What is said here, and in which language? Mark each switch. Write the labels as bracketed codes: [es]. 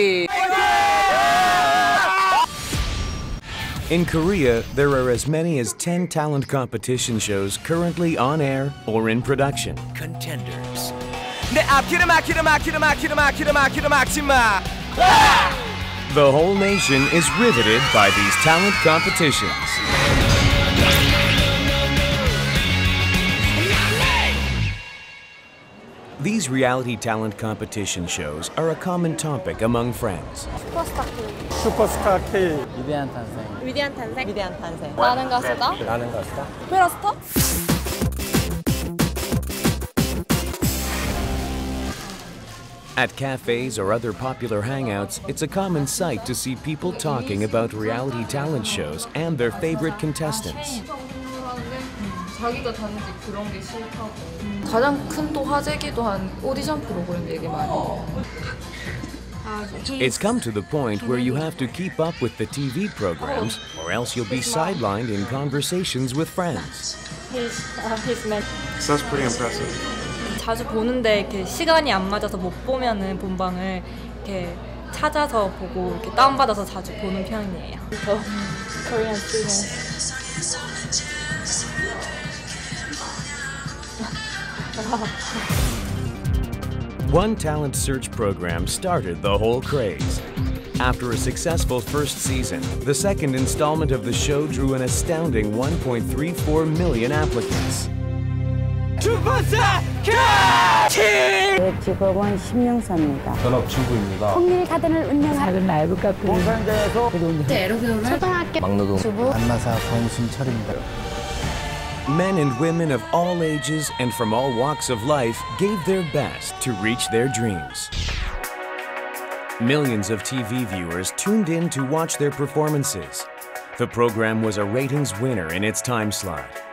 [ko] 화이팅! [en] In Korea, there are as many as 10 talent competition shows currently on air or in production. Contenders. [ko] 내 앞길을 막히려 막히려 막히려 막히려 막히려 막지 마. [en] The whole nation is riveted by these talent competitions. These reality talent competition shows are a common topic among friends. Superstar K. [ko] 위대한 탄생. 위대한 탄생. 위대한 탄생. 나는 가수다. 나는 가수다. 페러스터. [en] At cafes or other popular hangouts, it's a common sight to see people talking about reality talent shows and their favorite contestants. [ko] 자기가 다는 게 그런 게 싫다고. 가장 큰 또 화제기도 한 오디션 프로그램 얘기 많이. [en] It's come to the point where you have to keep up with the TV programs, or else you'll be sidelined in conversations with friends. That's pretty impressive. [ko] 자주 보는데 이렇게 시간이 안 맞아서 못 보면은 본방을 이렇게 찾아서 보고 이렇게 다운 받아서 자주 보는 편이에요. [en] Korean students. One talent search program started the whole craze. After a successful first season, the second installment of the show drew an astounding 1.34 million applicants. [ko] 직업은 신명사입니다. 전업 주부입니다. 홍일 가든을 운영하는 작은 라이브카페 공장장에서 초등학교 막내동 주부 안마사 권순철입니다. [en] Men and women of all ages and from all walks of life gave their best to reach their dreams. Millions of TV viewers tuned in to watch their performances. The program was a ratings winner in its time slot.